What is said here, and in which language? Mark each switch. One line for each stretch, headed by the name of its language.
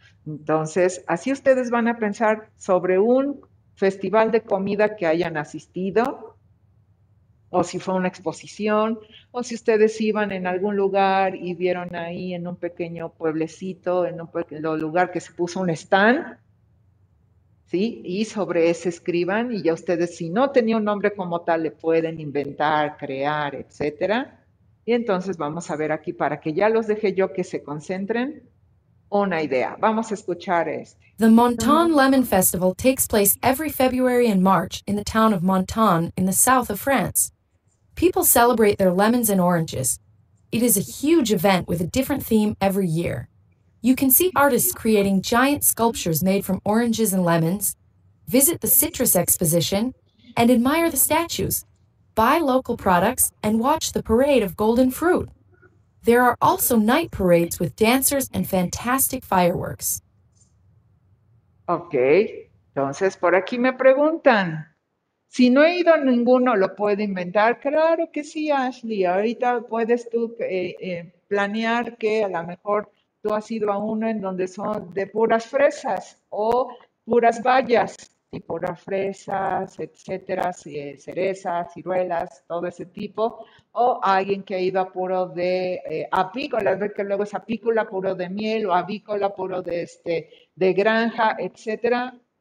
Spanish: Entonces, así ustedes van a pensar sobre un festival de comida que hayan asistido, o si fue una exposición, o si ustedes iban en algún lugar y vieron ahí en un pequeño pueblecito, en un pequeño lugar que se puso un stand, ¿sí? Y sobre ese escriban, y ya ustedes, si no tenía un nombre como tal, le pueden inventar, crear, etcétera. Y entonces vamos a ver aquí, para que ya los deje yo que se concentren, una idea. Vamos a escuchar este.
English: The Montan Lemon Festival takes place every February and March in the town of Montan in the south of France. People celebrate their lemons and oranges. It is a huge event with a different theme every year. You can see artists creating giant sculptures made from oranges and lemons, visit the citrus exposition, and admire the statues, buy local products, and watch the parade of golden fruit. There are also night parades with dancers and fantastic fireworks.
Spanish: Ok, entonces por aquí me preguntan, si no he ido a ninguno, ¿lo puedo inventar? Claro que sí, Ashley, ahorita puedes tú planear que a lo mejor tú has ido a uno en donde son de puras fresas o puras bayas, y puras fresas, etcétera, cerezas, ciruelas, todo ese tipo, o alguien que ha ido a puro de apícola, ver que luego es apícola puro de miel o avícola puro de de granja, etcétera.